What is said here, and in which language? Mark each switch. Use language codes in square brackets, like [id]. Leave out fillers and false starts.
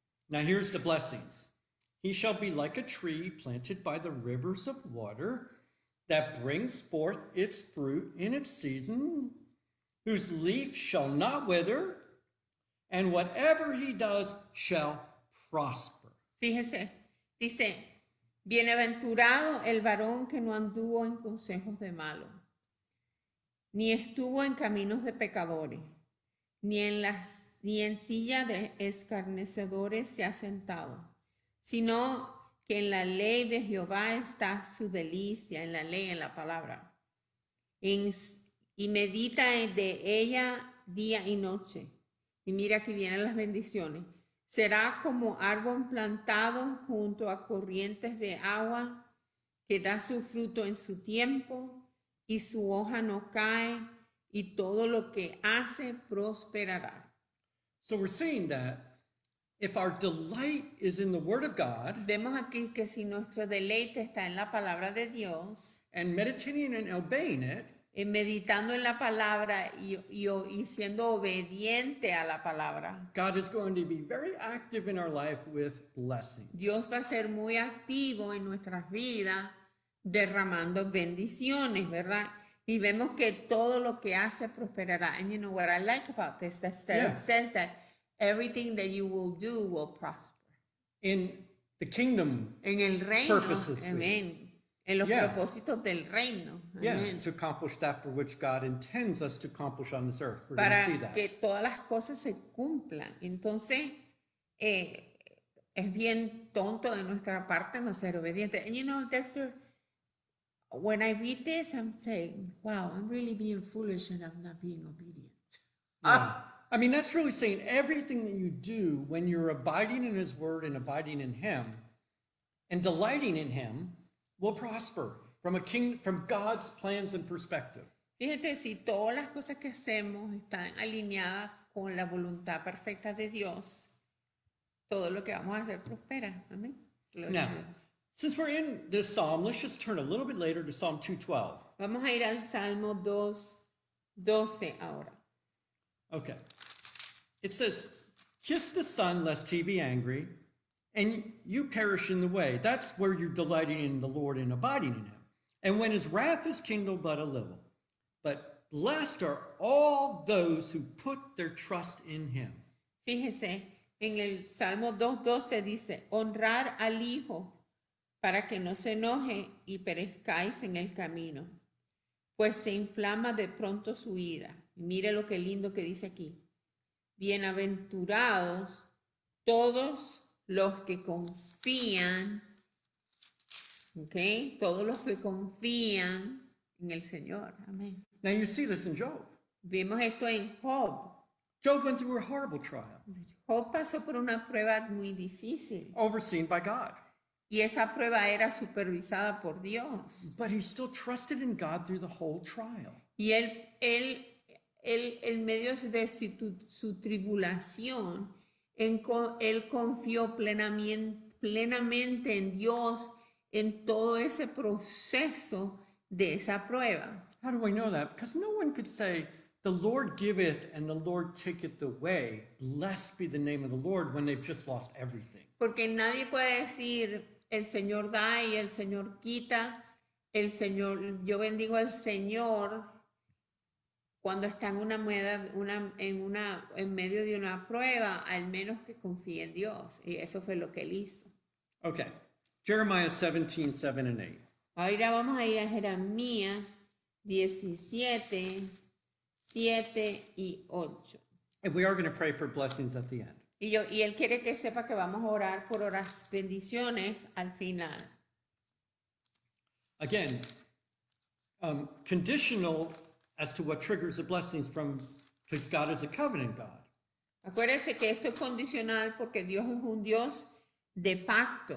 [en] Now here's the blessings. He shall be like a tree planted by the rivers of water that brings forth its fruit in its season, whose leaf shall not wither, and whatever he does shall prosper. [es] Fíjese, dice, bienaventurado el varón que no anduvo en consejos de malos, ni estuvo en caminos de pecadores, ni en silla de escarnecedores se ha sentado, sino que en la ley de Jehová está su delicia, en la ley, en la palabra, y medita de ella día y noche. Y mira, aquí vienen las bendiciones. Será como árbol plantado junto a corrientes de agua que da su fruto en su tiempo y su hoja no cae y todo lo que hace prosperará. [en] So we're seeing that if our delight is in the word of God, [es] vemos aquí que si nuestro deleite está en la palabra de Dios, [en] and meditating and obeying it, [es] en meditando en la palabra y siendo obediente a la palabra, [en] God is going to be very active in our life with blessings. [es] Dios va a ser muy activo en nuestras vidas derramando bendiciones, ¿verdad? Y vemos que todo lo que hace prosperará. [en] And you know what I like about this, that says that everything that you will do will prosper. In the kingdom, [es] en el reino, [en] purposes. [es] Amen. En los propósitos del reino. [en] Yeah, to accomplish that for which God intends us to accomplish on this earth. We're [es] para [en] going to see that. [es] Que todas las cosas se cumplan. Entonces, es bien tonto de nuestra parte no ser obediente. [en] And you know, Dexter, when I read this, I'm saying, wow, I'm really being foolish and I'm not being obedient. Yeah. I mean, that's really saying everything that you do when you're abiding in His word and abiding in Him, And delighting in him will prosper from a king, from God's plans and perspective. [es] Fíjate, si todas las cosas que hacemos están alineadas con la voluntad perfecta de Dios, todo lo que vamos a hacer prospera. Amén. Gloria now, a Dios. [en] Since we're in this psalm, let's just turn a little bit later to Psalm 212. [es] Vamos a ir al Salmo 212 ahora. [en] Okay. It says, kiss the Son lest he be angry, and you perish in the way. That's where you're delighting in the Lord and abiding in him. And when his wrath is kindled but a little, but blessed are all those who put their trust in him. [es] Fíjese, en el Salmo 2:12 dice, honrar al Hijo para que no se enoje y perezcáis en el camino, pues se inflama de pronto su ira. Y mire lo que lindo que dice aquí. Bienaventurados todos los que confían, okay, todos los que confían en el Señor. Amén. [en] Now you see this in Job. [es] Vemos esto en Job. [en] Job went through a horrible trial. [es] Job pasó por una prueba muy difícil. [en] Overseen by God. [es] Y esa prueba era supervisada por Dios. [en] But he still trusted in God through the whole trial. [es] Y él en medio de su tribulación, él confió plenamente en Dios en todo ese proceso de esa prueba. [en] How do I know that? Because no one could say, the Lord giveth and the Lord taketh away. Blessed be the name of the Lord, when they've just lost everything. [es] Porque nadie puede decir, el Señor da y el Señor quita. El Señor, yo bendigo al Señor cuando está en en medio de una prueba, al menos que confíe en Dios. Y eso fue lo que él hizo. [en] Okay. Jeremiah 17, 7 and 8. [es] Ahora vamos a ir a Jeremías 17, 7 y 8. [en] And we are going to pray for blessings at the end. [es] Y él quiere que sepa que vamos a orar por las bendiciones al final. [en] Again, conditional as to what triggers the blessings from, because God is a covenant God. [es] Acuérdese que esto es condicional porque Dios es un Dios de pacto.